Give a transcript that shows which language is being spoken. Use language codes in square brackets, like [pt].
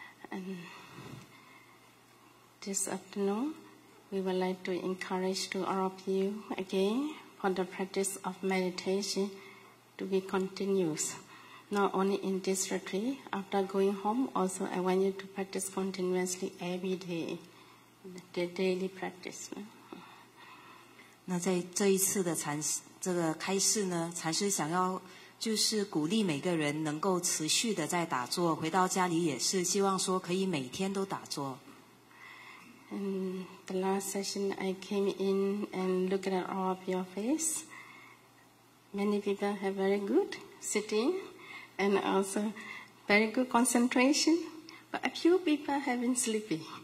[en] And this afternoon, we would like to encourage to all of you again for the practice of meditation to be continuous. Not only in this retreat, after going home, also I want you to practice continuously every day, the daily practice. [zh] 那在这一次的禅，这个开示呢，禅师想要就是鼓励每个人能够持续的在打坐，回到家里也是希望说可以每天都打坐。 [en] In the last session, I came in and looked at all of your face. Many people have very good sitting and also very good concentration, but a few people have been sleepy.